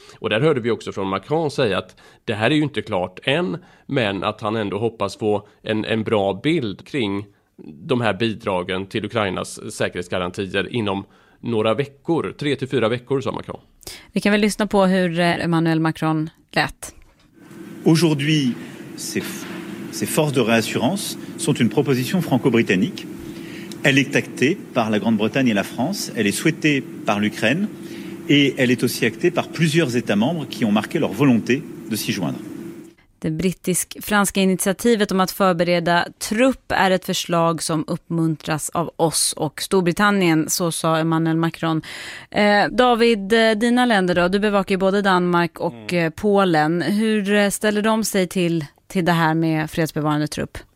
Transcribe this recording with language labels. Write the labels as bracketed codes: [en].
[sv] Och där hörde vi också från Macron säga att det här är ju inte klart än, men att han ändå hoppas få en bra bild kring de här bidragen till Ukrainas säkerhetsgarantier inom några veckor, 3-4 veckor, sa Macron. Vi kan väl lyssna på hur Emmanuel Macron lät. [fr] Aujourd'hui, ces forces de réassurance sont une proposition franco-britannique. Elle est actée par la Grande-Bretagne et la France, elle est souhaitée par l'Ukraine et elle est aussi actée par plusieurs États membres qui ont marqué leur volonté de s'y joindre. [sv] Det brittisk-franska initiativet om att förbereda trupp är ett förslag som uppmuntras av oss och Storbritannien, så sa Emmanuel Macron. David, dina länder då, du bevakar ju både Danmark och Polen. Hur ställer de sig till det här med fredsbevarande trupp?